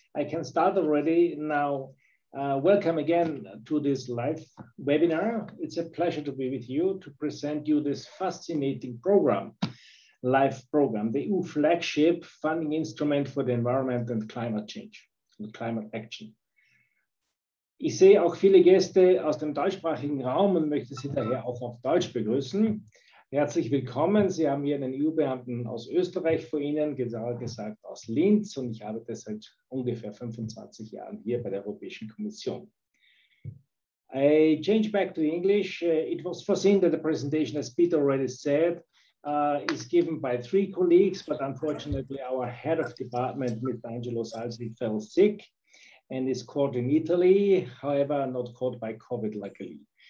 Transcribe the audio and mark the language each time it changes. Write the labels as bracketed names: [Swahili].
[English] I can start already now. Welcome again to this live webinar. It's a pleasure to be with you to present you this fascinating program, LIFE program, the EU flagship funding instrument for the environment and climate change, and climate action. [German] Ich sehe auch viele Gäste aus dem deutschsprachigen Raum und möchte Sie daher auch auf Deutsch begrüßen. Herzlich willkommen. Sie haben hier einen EU-Beamten aus Österreich vor Ihnen, genauer gesagt aus Linz, und ich arbeite seit ungefähr 25 Jahren hier bei der Europäischen Kommission. [English] I change back to English. It was foreseen that the presentation, as Peter already said, is given by three colleagues, but unfortunately our head of department, Mr. Angelo Salsi, fell sick and is caught in Italy, however not caught by COVID, luckily.